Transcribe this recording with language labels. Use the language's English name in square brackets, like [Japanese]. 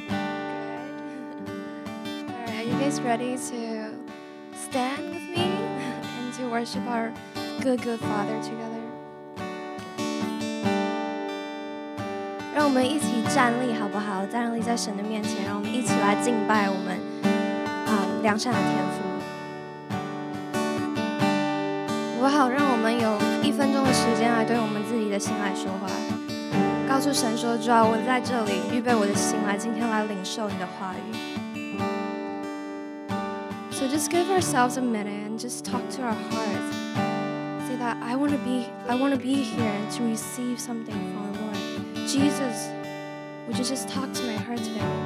[English] All right, are you guys ready to stand with me and to worship our good, good Father together? [Chinese] 让我们一起站立好不好？站立在神的面前，让我们一起来敬拜我们良善的天父。我好，让我们有一分钟的时间来对我们自己的心来说话，告诉神说：“主啊，我在这里预备我的心来，今天来领受你的话语。” [English] So just give ourselves a minute and just talk to our hearts. Say that I want to be here to receive something from the Lord. Jesus, would you just talk to my heart today?